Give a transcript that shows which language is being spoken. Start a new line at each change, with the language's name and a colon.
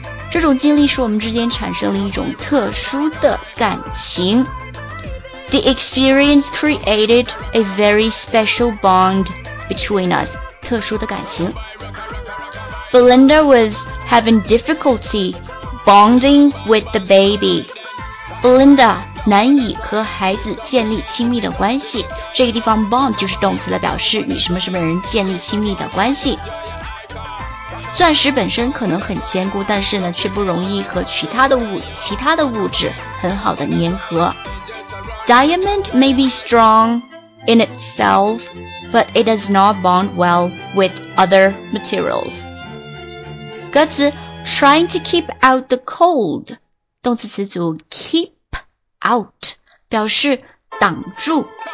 Chinese: 这种经历使我们之间产生了一种特殊的感情。
English: The experience created a very special bond between us.
Chinese: 特殊的感情。
English: Belinda was having difficulty bonding with the baby.
Chinese: Belinda 难以和孩子建立亲密的关系。这个地方 bond 就是动词的表示与什么什么人建立亲密的关系。钻石本身可能很坚固，但是呢，却不容易和其他的物质很好的粘合。
English: Diamond may be strong in itself, but it does not bond well with other materials.
Chinese: 歌词
English: trying to keep out the cold，
Chinese: 动词词组 keep out 表示挡住。